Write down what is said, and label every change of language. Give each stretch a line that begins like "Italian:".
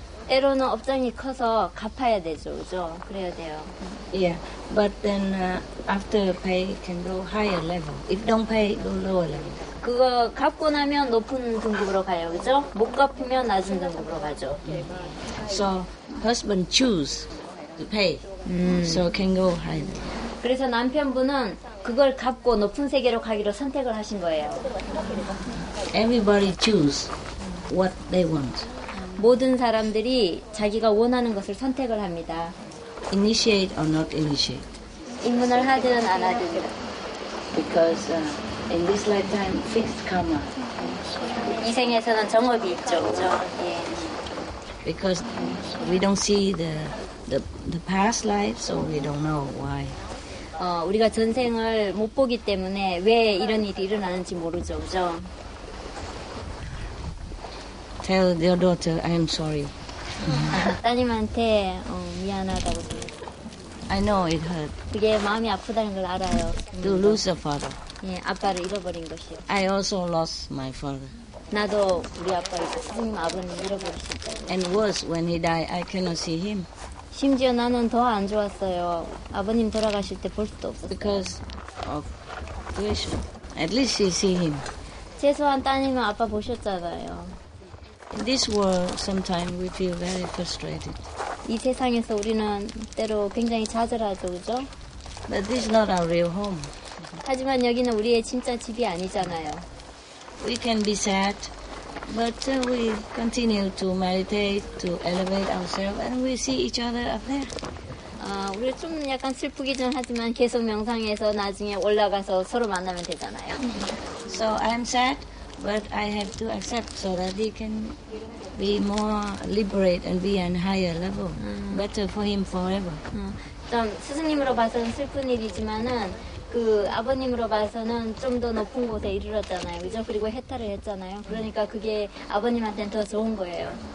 Korean: 때로는 업장이 커서 갚아야 되죠, 그죠? 그래야 돼요.
English: Yeah, but then after pay can go higher level. If don't pay, go lower level.
Korean: 그거 갚고 나면 높은 등급으로 가요, 그죠? 못 갚으면 낮은 등급으로 가죠.
English: So husband choose to pay, so can go higher.
Korean: 그래서 남편분은 그걸 갚고 높은 세계로 가기로 선택을 하신 거예요.
English: Everybody choose what they want.
Korean: 모든 사람들이 자기가 원하는 것을 선택을 합니다.
English: Initiate or not initiate.
Korean: 입문을 하든 안 하든.
English: Because in this lifetime, fixed karma.
Korean: 이 생에서는 정업이 있죠. 그렇죠?
English: Because we don't see the past life, so we don't know why.
Korean: 우리가 전생을 못 보기 때문에 왜 이런 일이 일어나는지 모르죠. 그렇죠?
English: Tell your daughter I am sorry.
Korean: 따님한테 미안하다고.
English: I know it hurt.
Korean: 그게 마음이 아프다는 걸 알아요.
English: To lose a father.
Korean: 예, 아빠를 잃어버린 것이요.
English: I also lost my father.
Korean: 나도 우리 아빠를 스님 아버님 잃어버렸습니다.
English: And worse, when he died, I cannot see him.
Korean: 심지어 나는 더 안 좋았어요. 아버님 돌아가실 때 볼 수도 없었어요.
English: Because of grief. At least he see him.
Korean: 최소한 따님은 아빠 보셨잖아요.
English: In this world, sometimes we feel very frustrated.
Korean: 이 세상에서 우리는 때로 굉장히 좌절하죠, 그죠?
English: But this is not our real home.
Korean: 하지만 여기는 우리의 진짜 집이 아니잖아요.
English: We can be sad, but we continue to meditate, to elevate ourselves, and we see each other up there.
Korean: 우리 좀 약간 슬프기는 하지만 계속 명상해서 나중에 올라가서 서로 만나면 되잖아요.
English: So I'm sad. But I have to accept so that he can be more liberate and be on higher level. Better for him forever.
Korean: 좀 스승님으로 봐서는 슬픈 일이지만은 그 아버님으로 봐서는 좀 더 높은 곳에 이르렀잖아요. 그죠? 그리고 해탈을 했잖아요. 그러니까 그게 아버님한테는 더 좋은 거예요.